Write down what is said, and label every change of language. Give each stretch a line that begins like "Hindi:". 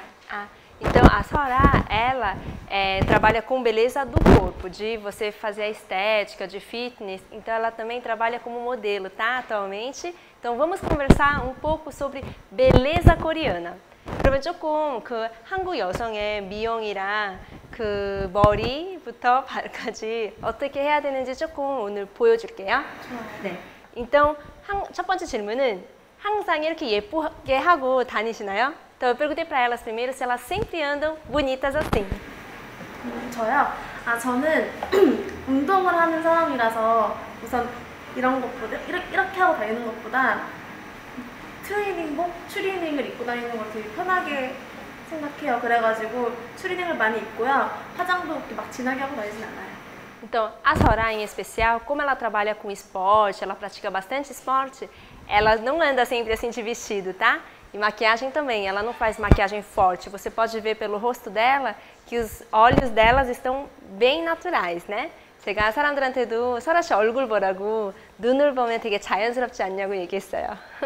Portuguese: Ah, então a Sora, ela trabalha com beleza do corpo, de você fazer a estética, de fitness. Então ela também trabalha como modelo, tá? Atualmente. Então vamos conversar um pouco sobre beleza coreana.
Korean: 그러면 조금 그 한국 여성의 미용이랑 그 머리부터 발까지 어떻게 해야 되는지 조금 오늘 보여줄게요. 좋아요. 네. Então 첫 번째 질문은 항상 이렇게 예쁘게 하고 다니시나요?
Portuguese: Então, eu perguntei para elas primeiro se elas sempre andam bonitas assim.
Korean: 저요? 아, 저는 운동을 하는 사람이라서 우선 이런 것보다 이렇게 하고 다니는 것보다 트레이닝복, 추리닝을 입고 다니는 걸 되게 편하게 생각해요. 그래가지고 추리닝을 많이 입고요. 화장도 그렇게 막 진하게 하고 다니진 않아요.
Portuguese: Então, a Sora, em especial, como ela trabalha com esporte, ela pratica bastante esporte, ela não anda sempre assim de vestido, tá? E maquiagem também, ela não faz maquiagem forte. Você pode ver pelo rosto dela que os olhos delas estão bem naturais, né?
Korean: 제가 사람들한테도 설아 씨 얼굴 보라고 눈을 보면 되게 자연스럽지 않냐고 얘기했어요.